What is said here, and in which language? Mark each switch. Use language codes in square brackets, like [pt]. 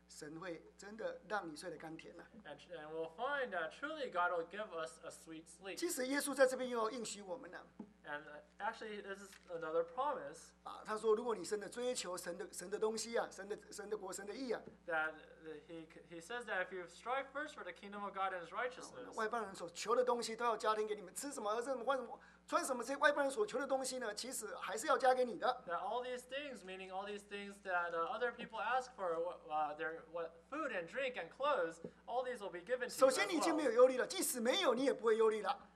[zh] 这样子你会知道，真的，神会真的让你睡得甘甜了。 [en] And we'll find that truly God will give us a sweet sleep. [zh] 其实耶稣在这边又要应许我们了。 [en] And actually, this is another promise. [zh] 他说，如果你真的追求神的东西啊，神的国，神的义啊。 [en] That he says that if you strive first for the kingdom of God and His righteousness. [zh] 外邦人所求的东西都要加添给你们，吃什么、喝什么、穿什么这些外邦人所求的东西呢？其实还是要加给你的。 [en] That all these things, meaning all these things that other people ask for, what food and drink and clothes, all these will be given to you. [zh] 首先，你已经没有忧虑了，即使没有，你也不会忧虑了。